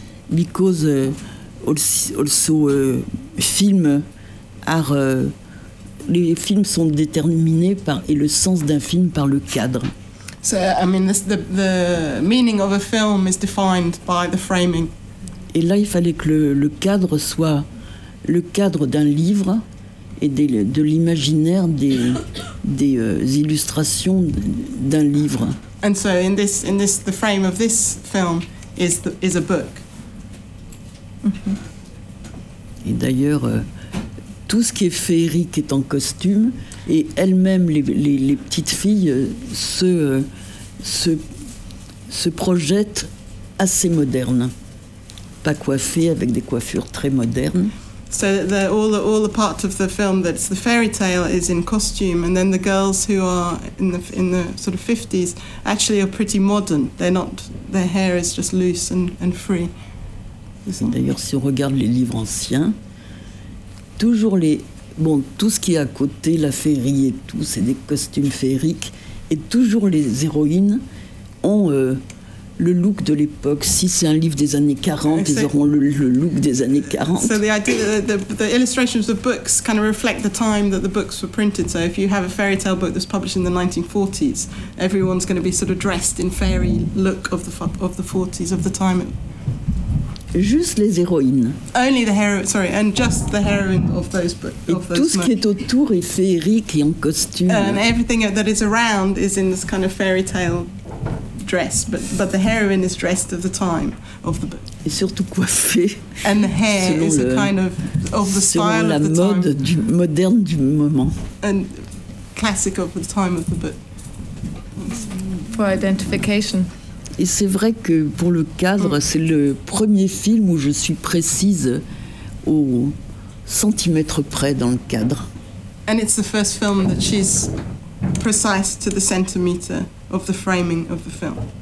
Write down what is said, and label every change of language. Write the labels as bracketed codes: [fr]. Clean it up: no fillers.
[en] because also film are [fr] les films sont déterminés par et le sens d'un film par le cadre. [en] So I mean the meaning of a film is defined by the framing. [fr] Et là il fallait que le cadre soit le cadre d'un livre et de l'imaginaire des illustrations d'un livre. [en] And so in this the frame of this film is a book. Mm-hmm. [fr] Et d'ailleurs tout ce qui est féerique est en costume et elle-même les petites filles se projettent assez modernes, pas coiffées avec des coiffures très modernes. [en] So all the part of the film that's the fairy tale is in costume, and then the girls who are in the sort of 50s actually are pretty modern. They're not, their hair is just loose and free. [fr] Et d'ailleurs, si on regarde les livres anciens, toujours les bon tout ce qui est à côté, la féerie et tout, c'est des costumes féeriques, et toujours les héroïnes ont le look de l'époque. Si c'est un livre des années 40, ils auront le look des années 40. [en] So the idea, the illustrations of books kind of reflect the time that the books were printed. So if you have a fairy tale book that's published in the 1940s, everyone's going to be sort of dressed in fairy look of the 40s, of the time. [fr] Juste les héroïnes. [en] Only the hero, sorry, and just the heroine of those books. [fr] Et tout ce qui est autour est féerique et en costume. [en] And everything that is around is in this kind of fairy tale dress, but the heroine is dressed of the time of the book. [fr] Et surtout coiffée. [en] And the hair is a kind of the style of the time. [fr] Selon la mode du moderne du moment. [en] And classic of the time of the book. For identification. [fr] Et c'est vrai que pour le cadre, c'est le premier film où je suis précise au centimètre près dans le cadre. [en] And it's the first film that she's precise to the centimeter of the framing of the film.